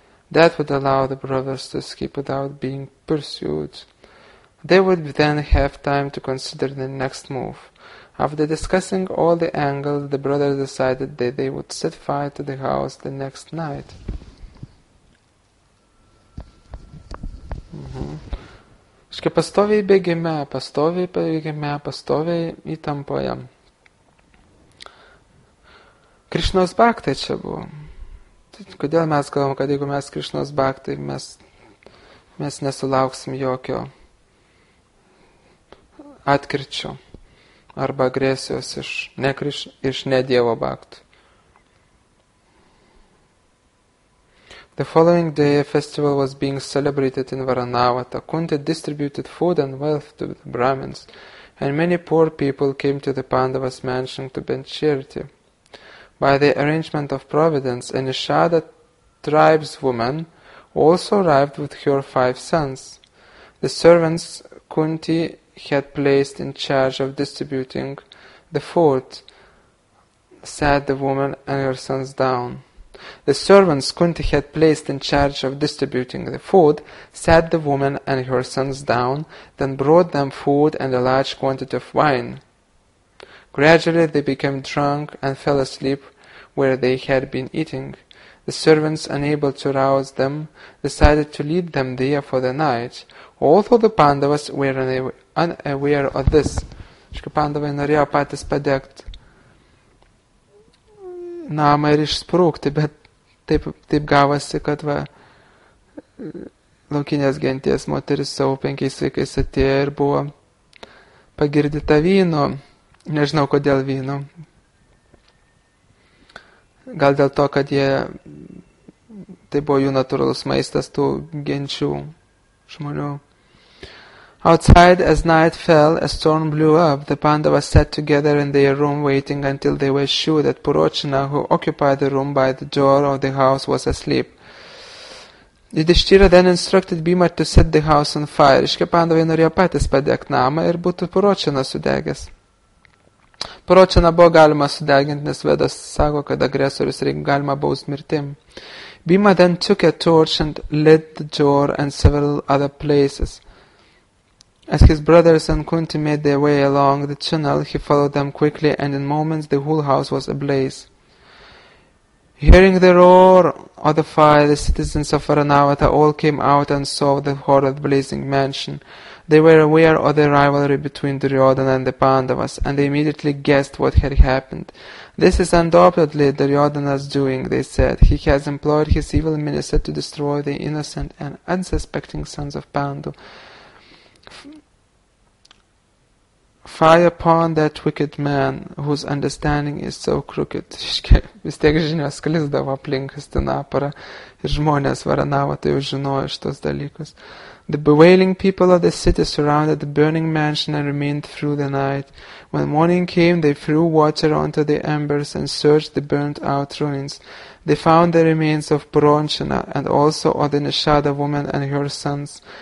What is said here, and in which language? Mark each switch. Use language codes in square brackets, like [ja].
[en] That would allow the brothers to escape without being pursued. They would then have time to consider the next move. After discussing all the angles, the brothers decided that they would set fire to the house the next night. [lt] Iškia pastoviai bėgime, pastoviai bėgime, pastoviai įtampoje. Krišnos baktai čia buvo. Kodėl mes galvom, kad jeigu mes Krišnos baktai, mes nesulauksim jokio atkirčio arba agresijos iš ne Dievo baktų. [en] The following day a festival was being celebrated in Varanavata. Kunti distributed food and wealth to the Brahmins, and many poor people came to the Pandavas mansion to bend charity. By the arrangement of Providence, a Nishada tribeswoman also arrived with her 5 sons. The servants Kunti he had placed in charge of distributing the food, sat the woman and her sons down. The servants Kunti had placed in charge of distributing the food sat the woman and her sons down, then brought them food and a large quantity of wine. Gradually they became drunk and fell asleep where they had been eating. The servants, unable to rouse them, decided to leave them there for the night. Although the Pandavas were unaware of this, [lt] Pandavai norėjo patys padegti namą ir išsprūkti, bet taip gavosi, kad va, laukinės genties moteris savo 5 vaikais atėjo ir buvo pagirdita vynu. Nežinau, kodėl vynu. Gal dėl to, kad jie, tai buvo jų natūralus maistas tų genčių žmonių. [en] Outside, as night fell, a storm blew up. The Pandavas sat together in their room waiting until they were sure that Purochana, who occupied the room by the door of the house, was asleep. Yudhishthira then instructed Bhima to set the house on fire. [lt] Iškia Pandavai norėjo patys padegti namą ir būtų Purochana sudegęs. Purochana buvo galima sudeginti, nes Vedas sako, kad agresorius reikia galima baus mirtim. [en] Bhima then took a torch and lit the door and several other places. As his brothers and Kunti made their way along the tunnel, he followed them quickly, and in moments the whole house was ablaze. Hearing the roar of the fire, the citizens of Varanavata all came out and saw the horrid blazing mansion. They were aware of the rivalry between Duryodhana and the Pandavas, and they immediately guessed what had happened. "This is undoubtedly Duryodhana's doing," they said. "He has employed his evil minister to destroy the innocent and unsuspecting sons of Pandu. Fire upon that wicked man whose understanding is so crooked." [lt] Vis tiek žinios sklisdavo aplink Hastinaparą ir žmonės Varanavo tai žinojo šitos dalykus. [en] The bewailing people of the city surrounded the burning mansion and remained through the night. When morning came, they threw water onto the embers and searched the burnt out ruins. They found the remains of Purochana and also of the Nishada woman and her sons.